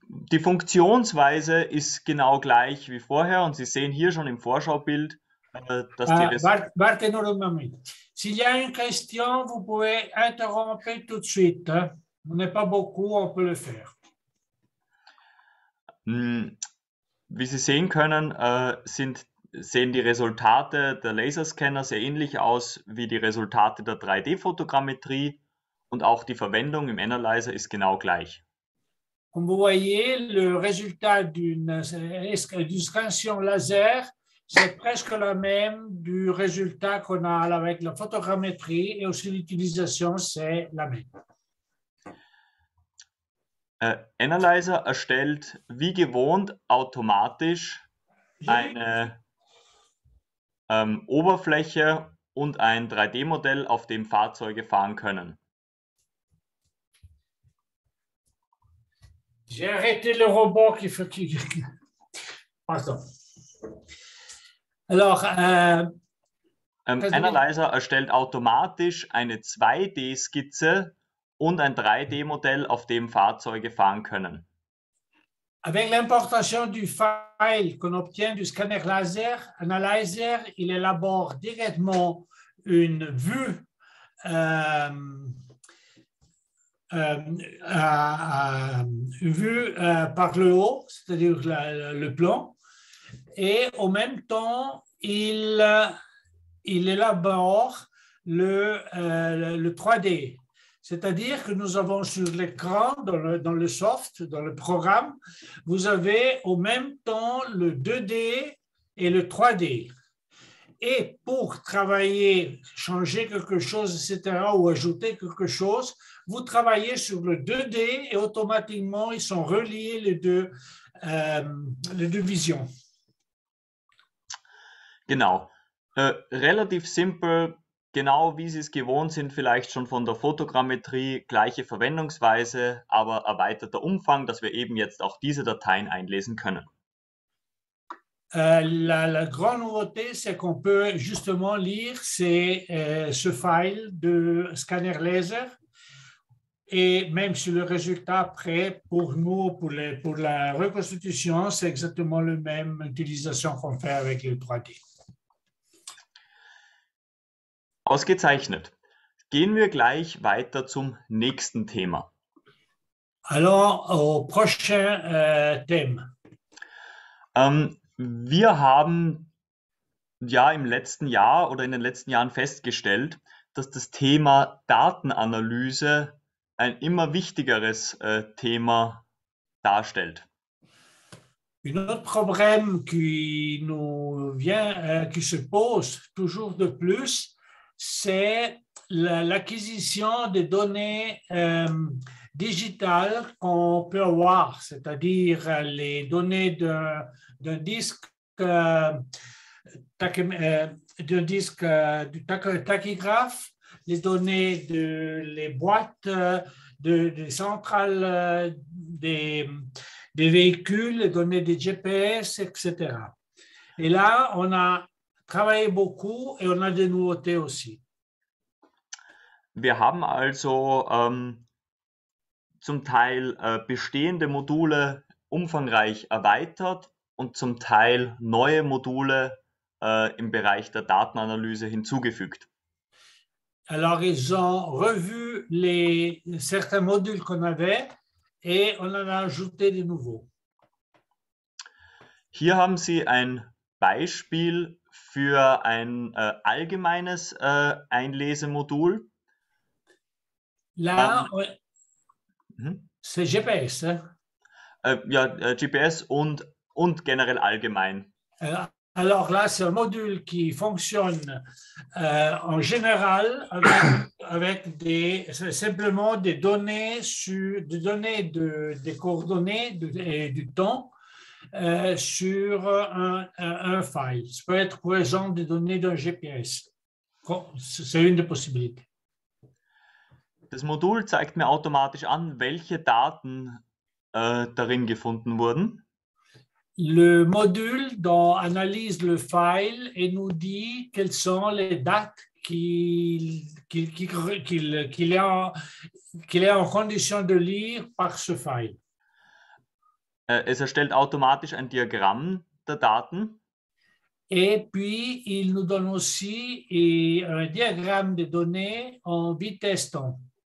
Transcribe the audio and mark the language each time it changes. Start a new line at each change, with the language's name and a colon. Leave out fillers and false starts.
German: Die Funktionsweise ist genau gleich wie vorher und Sie sehen hier schon im Vorschaubild, dass die Res Warte nur einen Moment.
French: S'il y a une question, vous pouvez interrompre tout de suite. On n'est pas beaucoup, on peut le faire.
German: Wie Sie sehen können, sehen die Resultate der Laserscanner sehr ähnlich aus wie die Resultate der 3D-Fotogrammetrie und auch die Verwendung im Analyzer ist genau gleich.
French: Comme vous voyez, le résultat d'une scansion laser, c'est presque le même du résultat qu'on a avec la photogrammétrie et aussi l'utilisation, c'est la même.
German: Analyzer erstellt wie gewohnt automatisch eine Oberfläche und ein 3D-Modell, auf dem Fahrzeuge fahren können.
French: J'ai arrêté le robot qui fatigue. Pardon. Alors,
German: Analyzer erstellt automatisch eine 2D-Skizze und ein 3D-Modell, auf dem Fahrzeuge fahren können.
French: avec l'importation du file qu'on obtient du scanner laser, Analyzer, il élabore directement une vue par le haut, c'est-à-dire le plan, et en même temps, il élabore le 3D. C'est-à-dire que nous avons sur l'écran, dans le soft, dans le programme, vous avez en même temps le 2D et le 3D. Et pour travailler, changer quelque chose, etc., ou ajouter quelque chose, vous travaillez sur le 2D et automatiquement, ils sont reliés les deux visions.
German: Genau, relativ simpel, genau wie Sie es gewohnt sind, vielleicht schon von der Fotogrammetrie, gleiche Verwendungsweise, aber erweiterter Umfang, dass wir eben jetzt auch diese Dateien einlesen können.
French: La grande nouveauté, c'est qu'on peut justement lire ce file de scanner laser et même sur le résultat après, pour nous, pour la reconstitution, c'est exactement la même utilisation qu'on fait avec le 3D.
German: Ausgezeichnet. Gehen wir gleich weiter zum nächsten Thema.
French: Allons au prochain thème.
German: Wir haben ja im letzten Jahr oder in den letzten Jahren festgestellt, dass das Thema Datenanalyse ein immer wichtigeres Thema darstellt.
French: Un autre problème qui nous vient, qui se pose toujours de plus, c'est l'acquisition des données digitales qu'on peut avoir, c'est-à-dire les données d'un disque, disque du tachygraphe, les données les boîtes des centrales des véhicules, les données des GPS, etc. Et là, on a travaillé beaucoup et on a des nouveautés aussi.
German: Wir haben also zum Teil bestehende Module umfangreich erweitert und zum Teil neue Module im Bereich der Datenanalyse hinzugefügt.
French: Alors, ils ont revu certains modules qu'on avait. Et on en a ajouté des nouveaux.
German: Hier haben Sie ein Beispiel für ein allgemeines Einlesemodul.
French: Là, c'est GPS.
German: GPS und generell allgemein.
French: Alors là, c'est un module qui fonctionne en général avec simplement des données des coordonnées et du temps sur un file. Ça peut être, par exemple, des données d'un GPS. C'est une des possibilités.
German: Das Modul zeigt mir automatisch an, welche Daten darin gefunden wurden.
French: Le module analyse le file et nous dit quelles sont les dates qu'il est en condition de lire par ce file.
German: Es erstellt automatisch ein Diagramm der Daten.
French: Et puis, il nous donne aussi un diagramme des données en vitesse-temps.